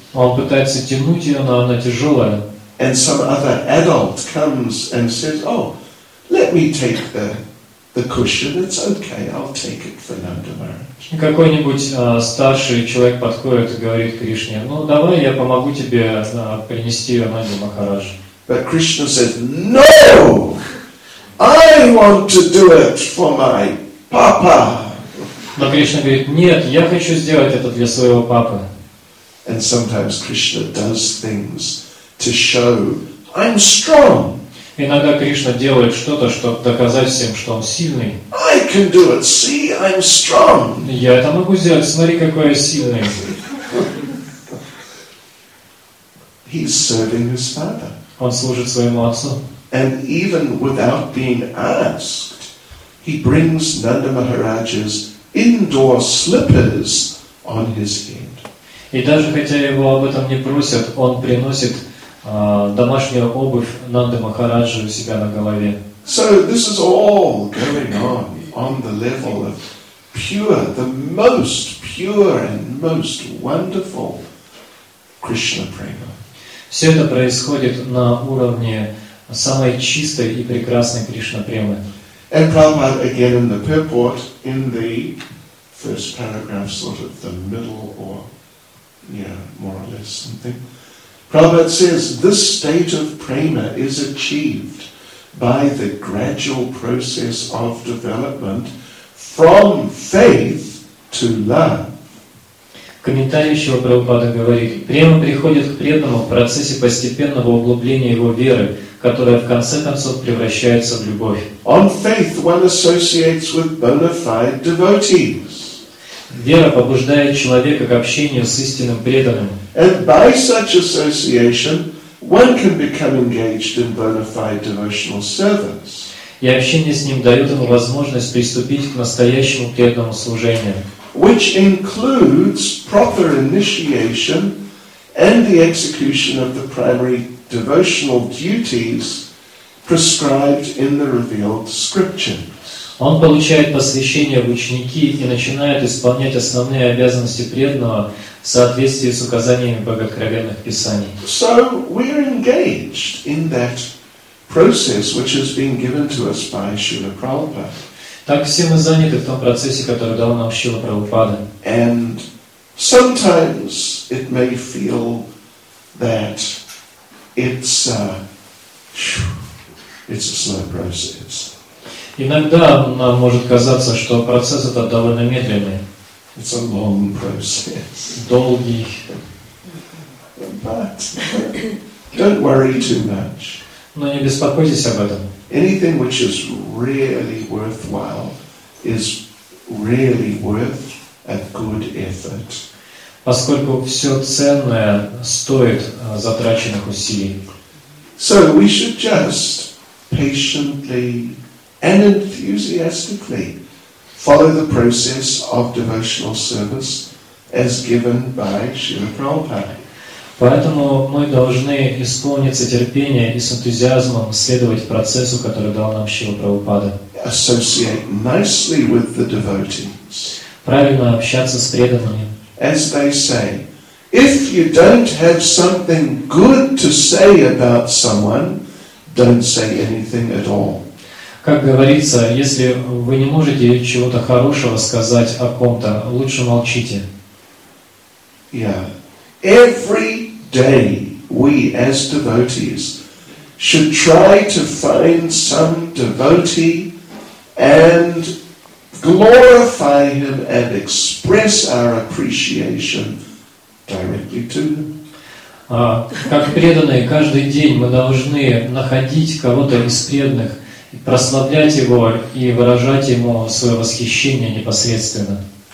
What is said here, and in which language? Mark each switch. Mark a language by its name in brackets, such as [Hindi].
[Russian] Он пытается тянуть ее, но она тяжелая. [English] And some other adult comes and says, "Oh, let me take the cushion. It's okay. I'll take it for Nanda Maharaj." [Russian] Какой-нибудь старший человек подходит и говорит Кришне: "Ну, давай, я помогу тебе принести ее Нанда Махарадж." [English] But Krishna says, "No, I want to do it for my papa." [Russian] Но Кришна говорит: "Нет, я хочу сделать это для своего папы." [English] And sometimes Krishna does things to show I'm strong. [Russian] Иногда Кришна делает что-то, чтобы доказать всем, что он сильный. [English] I can do it. See, I'm strong. [Russian] Я это могу сделать. Смотри, какой я сильный. [English] He's serving his father. [Russian] Он служит своему отцу. [English] And even without being asked, he brings Nanda Maharaj's indoor slippers on his head. [Russian] И даже хотя его об этом не просят, он приносит домашнюю обувь Нанды Махараджи у себя на голове. [English] So this is all going on the level of pure, the most pure and most wonderful Krishna prema. [Russian] Все это происходит на уровне самой чистой и прекрасной Кришна премы. [English] And Prabhupada again in the purport in the first paragraph, sort of the middle or more or less something. Prabhupada says this state of prema is achieved by the gradual process of development from faith to love. [Russian] Комментарий еще Прабхупада говорит: према приходит к преданному в процессе постепенного углубления его веры, которая в конце концов превращается в любовь. [English] On faith one associates with bona fide devotees. [Russian] Вера побуждает человека к общению с истинным преданным. [English] And by such association, one can become engaged in bona fide devotional service. [Russian] И общение с ним дает ему возможность приступить к настоящему преданному служению. [English] Which includes proper initiation and the execution of the primary devotional duties prescribed in the revealed scriptures. [Russian] Он получает посвящение в ученики и начинает исполнять основные обязанности преданного в соответствии с указаниями богооткровенных писаний. [English] So we're engaged in that process, which has been given to us by Śrīla Prabhupāda. [Russian] Так все мы заняты в том процессе, который дал нам Śrīla Prabhupāda. [English] And sometimes it may feel that it's a slow process. [Russian] Иногда нам может казаться, что процесс этот довольно медленный. [English] It's a long process. [Russian] Долгий. [English] But don't worry too much. [Russian] Но не беспокойтесь об этом. [English] Anything which is really worthwhile is really worth a good effort. [Russian] Поскольку все ценное стоит затраченных усилий. [English] So we should just patiently and enthusiastically follow the process of devotional service as given by Śrīla Prabhupāda. [Russian] Поэтому мы должны исполниться терпения и с энтузиазмом следовать процессу, который дал нам Шрила Прабхупада. [English] Associate nicely with the devotees. [Russian] Правильно общаться с преданными. [English] As they say, if you don't have something good to say about someone, don't say anything at all. [Russian] Как говорится, если вы не можете чего-то хорошего сказать о ком-то, лучше молчите. [English] Yeah. Every day we as devotees should try to find some devotee and glorify him and express our appreciation directly to him. [Russian] Как преданные, каждый день мы должны находить кого-то из преданных, прославлять его и выражать ему свое восхищение непосредственно.